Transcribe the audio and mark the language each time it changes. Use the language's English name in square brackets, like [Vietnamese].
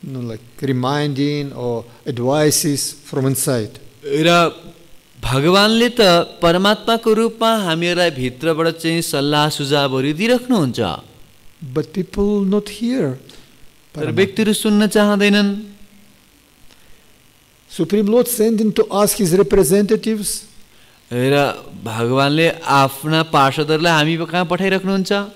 [English] Like reminding or advices from inside. [Nepali] र भगवानले त परमात्माको रूपमा हामीहरूलाई भित्रबाट चाहिँ सल्लाह सुझावहरू दिइराख्नुहुन्छ [English] But people not hear. [Nepali] तर व्यक्तिहरू सुन्न चाहँदैनन् [English] Supreme Lord sending to ask his representatives. [Nepali] र भगवानले आफ्ना पार्षदहरूलाई हामी कहाँ पठाइराख्नुहुन्छ